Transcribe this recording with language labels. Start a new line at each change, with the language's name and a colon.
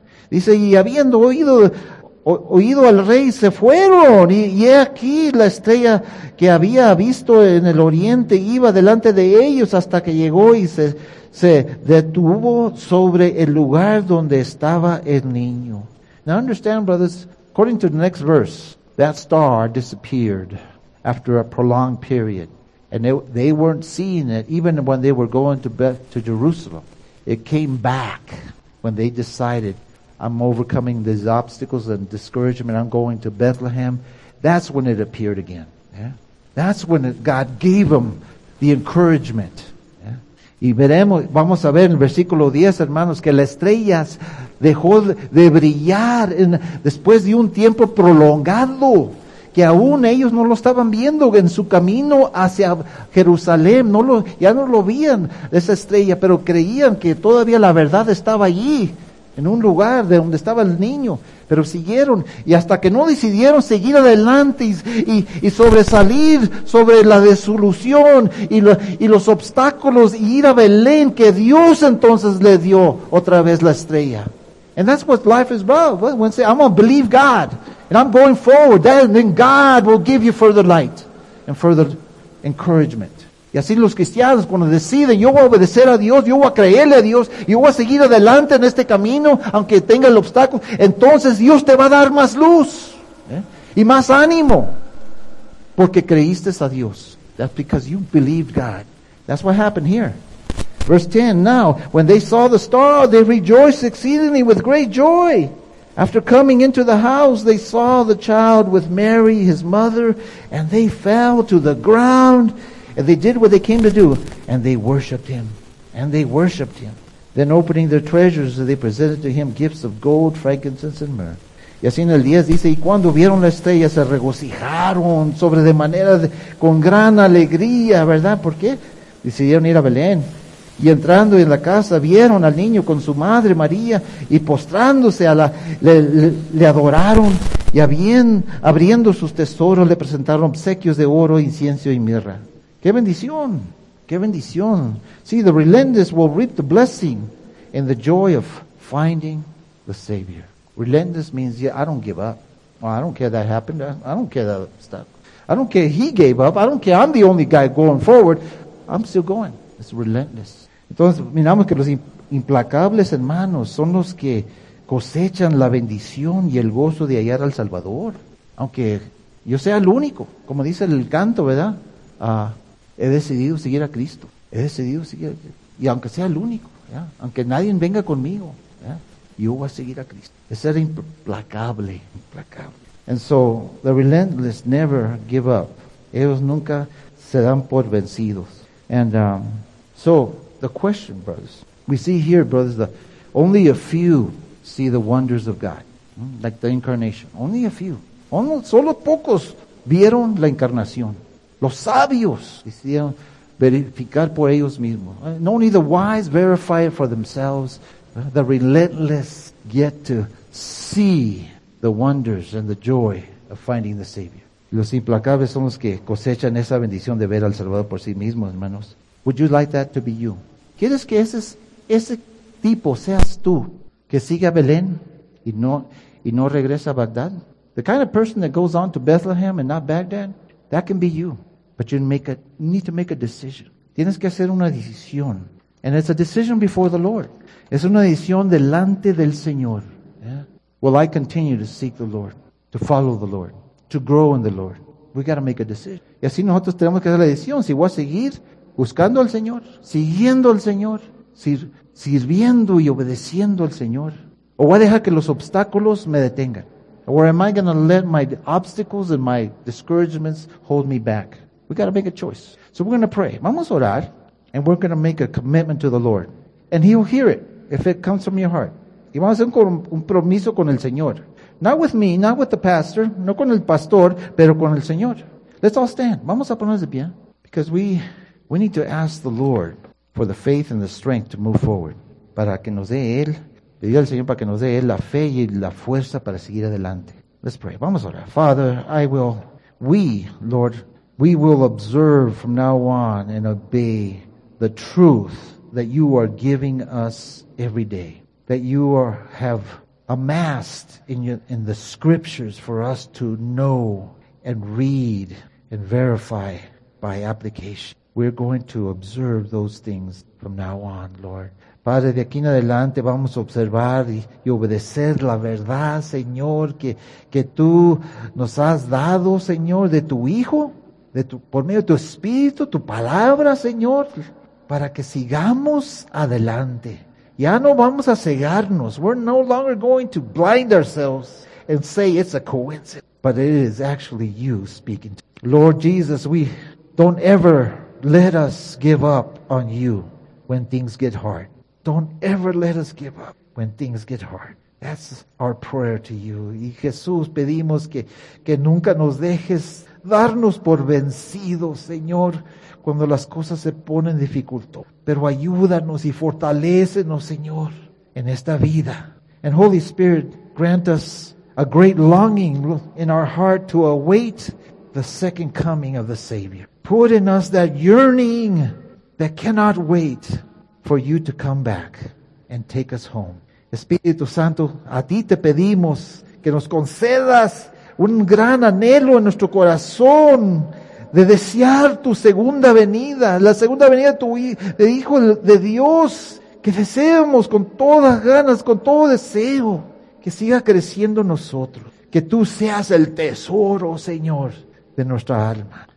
Spanish: Dice, y habiendo oído al rey, se fueron. Y aquí la estrella que había visto en el oriente iba delante de ellos hasta que llegó y se detuvo sobre el lugar donde estaba el niño.
English: Now understand, brothers, according to the next verse, that star disappeared after a prolonged period. And they weren't seeing it, even when they were going to Jerusalem. It came back when they decided, I'm overcoming these obstacles and discouragement, I'm going to Bethlehem. That's when it appeared again. Yeah? That's when God gave them the encouragement. Yeah?
Spanish: Y veremos, vamos a ver en el versículo 10, hermanos, que la estrella dejó de brillar en, después de un tiempo prolongado, que aún ellos no lo estaban viendo en su camino hacia Jerusalén, ya no lo veían esa estrella, pero creían que todavía la verdad estaba allí, en un lugar de donde estaba el niño. Pero siguieron, y hasta que no decidieron seguir adelante y sobresalir sobre la desilusión y los obstáculos, y ir a Belén, que Dios entonces le dio otra vez la estrella.
English: And that's what life is about. When say, I'm going to believe God, and I'm going forward, then God will give you further light and further encouragement.
Spanish: Y así los cristianos, cuando deciden, yo voy a obedecer a Dios, yo voy a creerle a Dios, yo voy a seguir adelante en este camino, aunque tenga el obstáculo, entonces Dios te va a dar más luz y más ánimo, porque creíste a Dios.
English: That's because you believed God. That's what happened here. Verse 10, now, when they saw the star, they rejoiced exceedingly with great joy. After coming into the house, they saw the child with Mary, his mother, and they fell to the ground. And they did what they came to do, and they worshipped him. Then opening their treasures, they presented to him gifts of gold, frankincense, and myrrh.
Spanish: Y así en el 10 dice, y cuando vieron la estrella, se regocijaron sobre de manera, de, con gran alegría, ¿verdad? ¿Por qué? Decidieron ir a Belén. Y entrando en la casa, vieron al niño con su madre María, y postrándose a la, le adoraron, y abriendo sus tesoros, le presentaron obsequios de oro, incienso y mirra. ¡Qué bendición! ¡Qué bendición!
English: See, the relentless will reap the blessing and the joy of finding the Savior. Relentless means, yeah, I don't give up. Well, I don't care that happened. I don't care that stuff. I don't care he gave up. I don't care I'm the only guy going forward. I'm still going. It's relentless.
Spanish: Entonces, miramos que los implacables hermanos son los que cosechan la bendición y el gozo de hallar al Salvador. Aunque yo sea el único, como dice el canto, ¿verdad? He decidido seguir a Cristo. He decidido seguir a Cristo. Y aunque sea el único, ¿ya? Aunque nadie venga conmigo, ¿ya? Yo voy a seguir a Cristo. Es ser implacable, implacable.
English: And so, the relentless never give up.
Spanish: Ellos nunca se dan por vencidos.
English: And so, the question, brothers. We see here, brothers, that only a few see the wonders of God. Like the incarnation. Only a few.
Spanish: Solo pocos vieron la encarnación. Los sabios decidieron verificar por ellos mismos.
English: No only the wise verify it for themselves, the relentless get to see the wonders and the joy of finding the Savior.
Spanish: Los implacables son los que cosechan esa bendición de ver al Salvador por sí mismos, hermanos.
English: Would you like that to be you?
Spanish: ¿Quieres que ese tipo seas tú que sigue a Belén y no regresa a Bagdad?
English: The kind of person that goes on to Bethlehem and not Baghdad? That can be you, but you need to make a decision.
Spanish: Tienes que hacer una decisión.
English: And it's a decision before the Lord.
Spanish: Es una decisión delante del Señor. Yeah.
English: Will I continue to seek the Lord, to follow the Lord, to grow in the Lord? We got to make a decision.
Spanish: Y así nosotros tenemos que hacer la decisión. Si voy a seguir buscando al Señor, siguiendo al Señor, sirviendo y obedeciendo al Señor, o voy a dejar que los obstáculos me detengan.
English: Or am I going to let my obstacles and my discouragements hold me back? We got to make a choice. So we're going to pray.
Spanish: Vamos a orar.
English: And we're going to make a commitment to the Lord. And He'll hear it if it comes from your heart.
Spanish: Y vamos a hacer un compromiso con el Señor.
English: Not with me, not with the pastor,
Spanish: no con el pastor, pero con el Señor.
English: Let's all stand.
Spanish: Vamos a ponernos de pie.
English: Because we need to ask the Lord for the faith and the strength to move forward.
Spanish: Para que nos dé Él. Le dio al Señor para que nos dé la fe y la fuerza para seguir adelante.
English: Let's pray.
Spanish: Vamos a orar.
English: Father, we, Lord, will observe from now on and obey the truth that you are giving us every day. That you have amassed in the scriptures for us to know and read and verify by application. We're going to observe those things from now on, Lord.
Spanish: Padre, de aquí en adelante vamos a observar y obedecer la verdad, Señor, que tú nos has dado, Señor, de tu Hijo, por medio de tu Espíritu, tu palabra, Señor, para que sigamos adelante. Ya no vamos a cegarnos.
English: We're no longer going to blind ourselves and say it's a coincidence, but it is actually you speaking to me. Lord Jesus, we don't ever let us give up on you when things get hard. Don't ever let us give up. when things get hard. That's our prayer to you.
Spanish: Y Jesús, pedimos que nunca nos dejes darnos por vencidos, Señor, cuando las cosas se ponen dificultos. Pero ayúdanos y fortalécenos, Señor, en esta vida.
English: And Holy Spirit, grant us a great longing in our heart to await the second coming of the Savior. Put in us that yearning that cannot wait for you to come back and take us home.
Spanish: Espíritu Santo, a ti te pedimos que nos concedas un gran anhelo en nuestro corazón de desear tu segunda venida, la segunda venida de tu Hijo de Dios, que deseemos con todas ganas, con todo deseo, que siga creciendo nosotros, que tú seas el tesoro, Señor, de nuestra alma.